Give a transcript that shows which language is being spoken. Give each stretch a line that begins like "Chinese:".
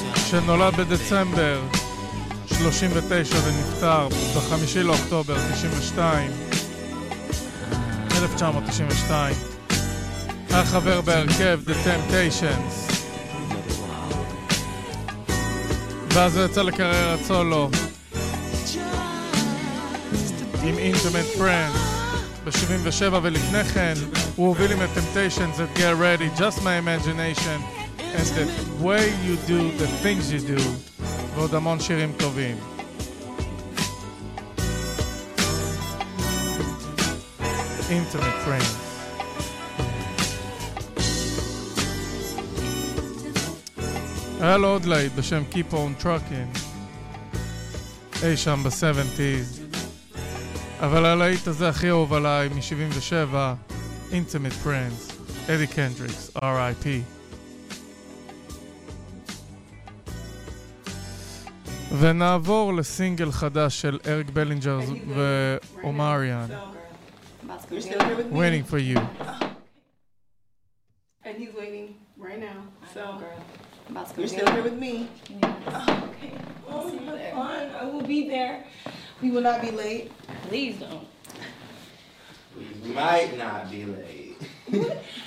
Hebrew: שנולד בדצמבר 39 ונפטר ב-5 לאוקטובר 1992. היה חבר בהרכב The Temptations. ואז הוא יצא לקריירה סולו עם Intimate Friends ב-77, ולפני כן הוא הוביל עם Temptations את Get Ready, Just My Imagination and The Way You Do, The Things You Do, ועוד המון שירים טובים. Intimate Friends. היה לו עוד להיט בשם Keep On Trucking, אי שם ב-70s, אבל הלהיט הזה הכי אהוב עליי מ-77, Intimate Friends, Eddie Kendricks, R.I.P. ונעבור לסינגל חדש של אריק בלינג'ר ואומריאן, Waiting For You.
English: And he's waiting right now, so... You're still here with me. Yeah. Oh, okay. We'll oh, fun. I will be there. We will not be late. Please don't. We might not be late.